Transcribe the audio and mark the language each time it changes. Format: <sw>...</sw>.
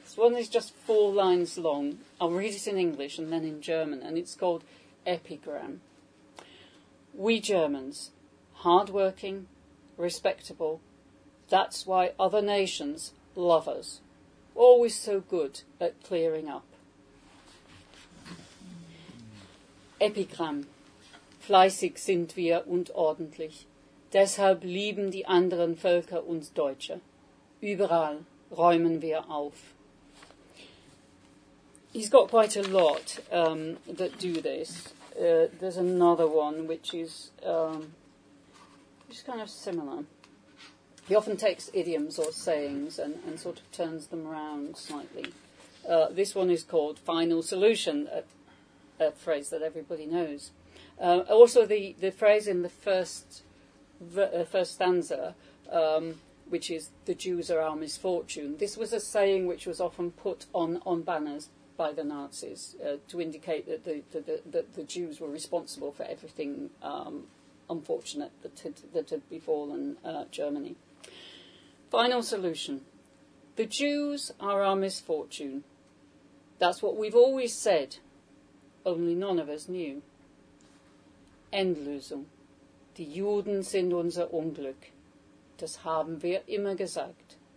<en>So one is just four lines long. I'll read it in English and then in German, and it's called Epigram. We Germans, hardworking, respectable, that's why other nations love us. Always so good at clearing up.</en> <de>Epigram. Fleißig sind wir und ordentlich. Deshalb lieben die anderen Völker uns Deutsche. Überall räumen wir auf.</de> <en>He's got quite a lot that do this. There's another one which is just kind of similar. He often takes idioms or sayings and sort of turns them around slightly. This one is called Final Solution, a phrase that everybody knows. Also, the phrase in the first stanza, which is, the Jews are our misfortune. This was a saying which was often put on banners by the Nazis to indicate that the Jews were responsible for everything unfortunate that had befallen Germany. Final solution. The Jews are our misfortune. That's what we've always said, only none of us knew.</en> <de>Endlösung. Die Juden sind unser Unglück. Das haben wir immer gesagt.</de>